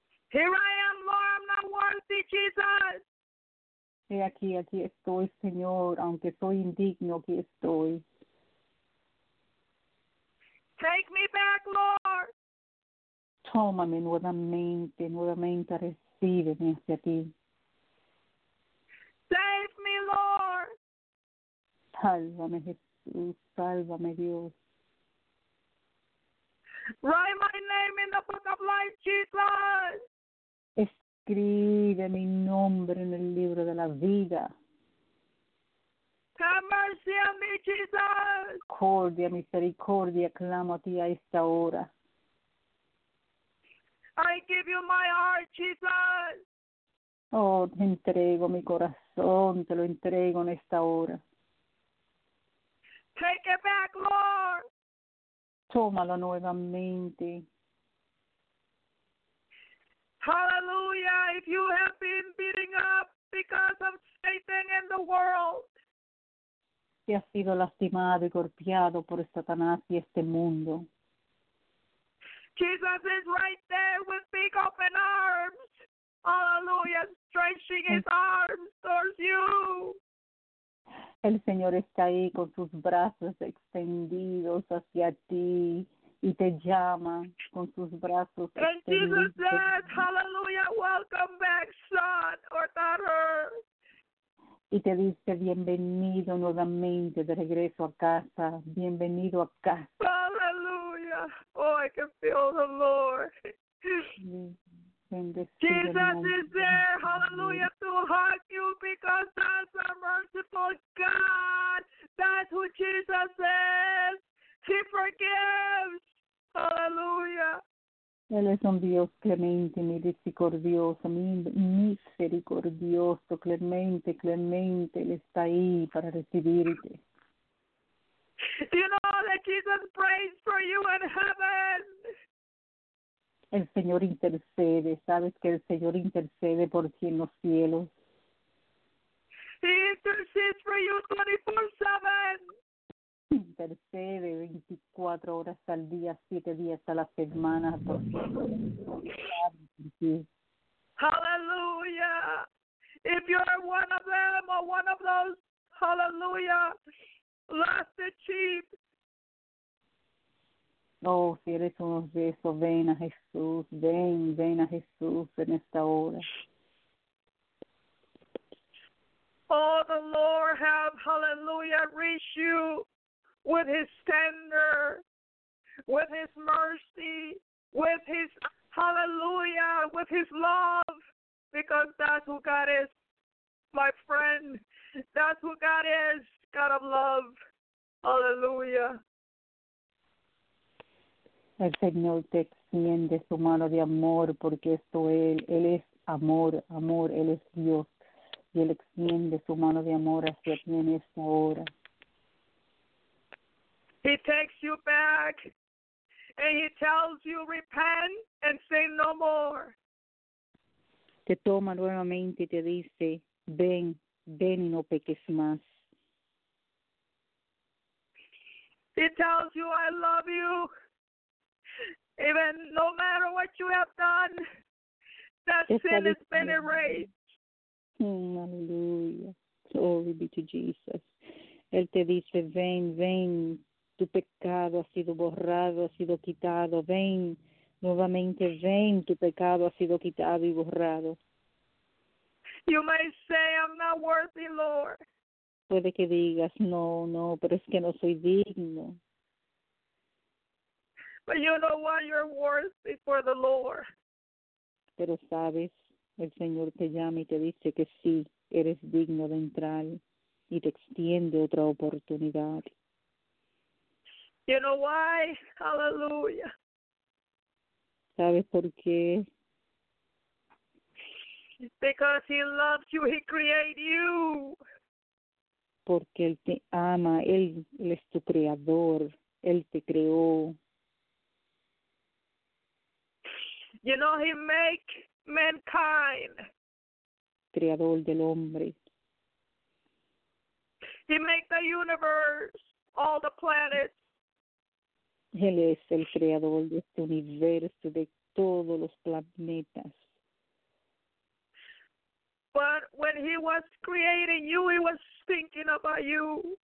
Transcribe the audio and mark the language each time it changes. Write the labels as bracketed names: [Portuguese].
[English] Here I am, Lord, I'm not worthy, Jesus. [Spanish] He aquí, aquí estoy, Señor, aunque soy indigno, aquí estoy. [English] Take me back, Lord. [Spanish] Tómame nuevamente, nuevamente, recíbeme hacia ti. [English] Save me, Lord. [Spanish] Sálvame, Jesús, sálvame, Dios. [English] Write my name in the book of life, Jesus. [Spanish] Escribe mi nombre en el libro de la vida. [English] Have mercy on me, Jesus. [Spanish] Cordia, misericordia, clamo a ti a esta hora. [English] I give you my heart, Jesus. [Spanish] Oh, te entrego mi corazón, te lo entrego en esta hora. [English] Take it back, Lord. [Spanish] Tómalo nuevamente. [English] Hallelujah, if you have been beating up because of Satan in the world. [Spanish] Si has sido lastimado y golpeado por Satanás y este mundo. [English] Jesus is right there with big open arms. Hallelujah, stretching his arms towards you. [Spanish] El Señor está ahí con sus brazos extendidos hacia ti y te llama con sus brazos extendidos. [English] And Jesus says, hallelujah, welcome back, son or daughter. [Spanish] Y te dice, bienvenido nuevamente de regreso a casa, bienvenido a casa. [English] Hallelujah. Oh, I can feel the Lord. Jesus is there, hallelujah, to hug you because that's a merciful God. That's who Jesus is. He forgives. Hallelujah. [Spanish] Él es un Dios clemente, misericordioso, misericordioso, clemente, clemente. Él está ahí para recibirte. [English] Do you know that Jesus prays for you in heaven? [Spanish] El Señor intercede. ¿Sabes que el Señor intercede por ti en los cielos? [English] He intercedes for you 24/7. [Spanish] Intercede 24 horas al día, 7 días a la semana. [English] Hallelujah. If you are one of them or one of those, hallelujah. Lost the sheep. [Spanish] Oh, si eres uno de esos, ven a Jesús, ven, ven a Jesús en esta hora. [English] Oh, the Lord have, hallelujah, reached you with his tender, with his mercy, with his, hallelujah, with his love, because that's who God is, my friend. That's who God is. God of love. Hallelujah. [Spanish] El Señor te extiende su mano de amor, porque esto Él es amor, amor, Él es Dios. Y Él extiende su mano de amor hacia ti en esta hora. [English] He takes you back and He tells you, repent and say no more. [Spanish] Te toma nuevamente y te dice, ven, ven y no peques más. [English] He tells you, I love you. Even no matter what you have done, that sin has been erased. [Spanish] Aleluya. [English] Glory be to Jesus. [Spanish] Él te dice, ven, ven. Tu pecado ha sido borrado, ha sido quitado. Ven, nuevamente, ven. Tu pecado ha sido quitado y borrado. [English] You may say, I'm not worthy, Lord. [Spanish] Puede que digas, no, no, pero es que no soy digno. [English] But you know what? You're worthy for the Lord. [Spanish] Pero sabes, el Señor te llama y te dice que sí, eres digno de entrar y te extiende otra oportunidad. [English] You know why? Hallelujah. [Spanish] ¿Sabes por qué? [English] Because He loves you, He created you. [Spanish] Porque Él te ama, Él es tu creador, Él te creó. [English] You know, He make mankind. [Spanish] Creador del hombre. [English] He make the universe, all the planets. [Spanish] Él es el creador de este universo, de todos los planetas. [English] But when He was creating you, He was thinking about you.